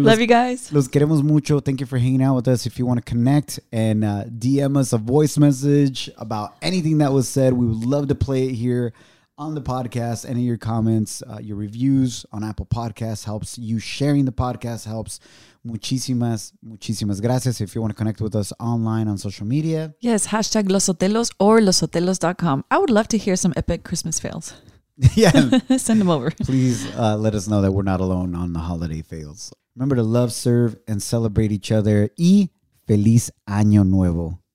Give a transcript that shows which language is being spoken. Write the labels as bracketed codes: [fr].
[en] Love you guys. [es] Los queremos mucho. [en] Thank you for hanging out with us. If you want to connect and DM us a voice message about anything that was said, we would love to play it here on the podcast. Any of your comments, your reviews on Apple Podcasts helps. You sharing the podcast helps. [es] Muchísimas, muchísimas gracias. [en] If you want to connect with us online on social media. Yes, hashtag Los Otelos or losotelos.com. I would love to hear some epic Christmas fails. Yeah. Send them over. Please let us know that we're not alone on the holiday fails. Remember to love, serve, and celebrate each other. [es] Y feliz año nuevo.